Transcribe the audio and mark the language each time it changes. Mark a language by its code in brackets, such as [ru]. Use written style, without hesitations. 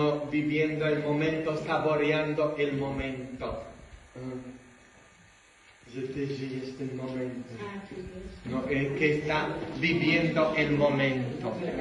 [es] Viviendo el momento, saboreando el momento. [pl] Że Ty żyjesz tym momentem. [es] No, que está viviendo el momento.